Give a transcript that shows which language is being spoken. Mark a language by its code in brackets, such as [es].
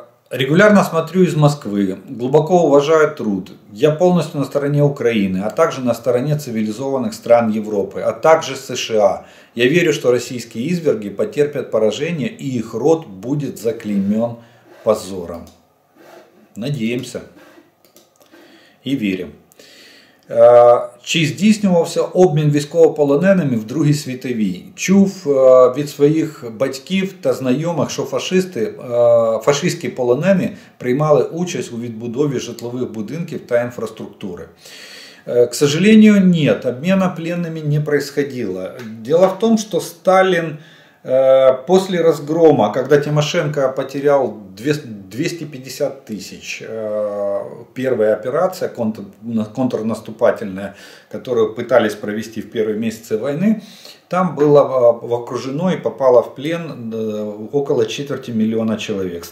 [ru] Регулярно смотрю из Москвы, глубоко уважаю труд. Я полностью на стороне Украины, а также на стороне цивилизованных стран Европы, а также США. Я верю, что российские изверги потерпят поражение и их род будет заклеймен позором. Надеемся. И верим. [uk] Чи здійснювався обмін військовополоненими в Другій світовій? Чув від своїх батьків та знайомих, що фашисти, фашистські полонені приймали участь у відбудові житлових будинків та інфраструктури? [ru] К сожалению, нет, обмена пленными не происходило. Дело в том, что Сталин после разгрома, когда Тимошенко потерял 250 тысяч, первая операция контрнаступательная, которую пытались провести в первые месяцы войны, там было окружено и попало в плен около 250 000 человек.